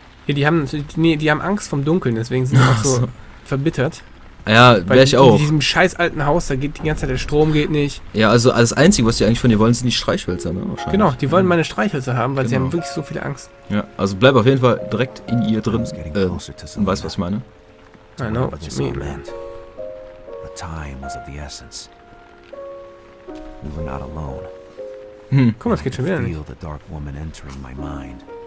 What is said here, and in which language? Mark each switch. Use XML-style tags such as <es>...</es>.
<de>Ja, die haben Angst vom Dunkeln, deswegen sind sie auch so verbittert. Ja, wäre ich auch. In diesem scheiß alten Haus, da geht die ganze Zeit der Strom geht nicht. Ja, also das Einzige, was die eigentlich von dir wollen, sind die Streichhölzer, ne? Wahrscheinlich. Genau, die wollen meine Streichhölzer haben, weil sie haben wirklich so viel Angst. Ja, also bleib auf jeden Fall direkt in ihr drin und weißt, was ich meine.</de> <en>I know what you mean. The time was of the essence. We were not alone.</en> <de>Komm, das geht schon wieder.</de> <en>I feel the dark woman entering my mind.</en>